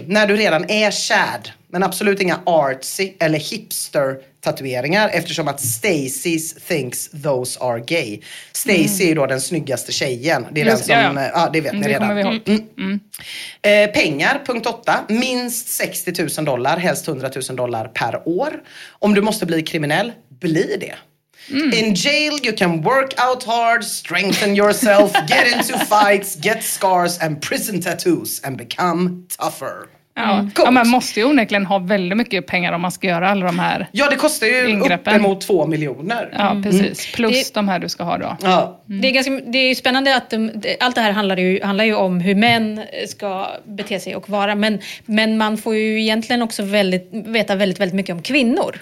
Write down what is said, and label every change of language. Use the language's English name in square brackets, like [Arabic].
[Swedish] Okay, när du redan är kärd. Men absolut inga artsy eller hipster-tatueringar, eftersom att Stacy [English] thinks those are gay. [Swedish] Stacy är då den snyggaste tjejen. Det är just, den som... Ja, det vet ni det redan. Kommer vi ihåg. Pengar, punkt 8. Minst 60 000 dollar, helst 100 000 dollar per år. Om du måste bli kriminell, bli det. Mm. [English] In jail you can work out hard, strengthen yourself, get into fights, get scars and prison tattoos and become tougher. [Swedish] Mm. Ja, man måste ju onekligen ha väldigt mycket pengar om man ska göra alla de här. Ja, det kostar ju ingreppen. Uppemot 2 miljoner. Ja, precis. Mm. Plus det, de här du ska ha då. Ja. Mm. Det är ganska, det är ju spännande att allt det här handlar ju om hur män ska bete sig och vara. Men man får ju egentligen också väldigt, veta väldigt, väldigt mycket om kvinnor.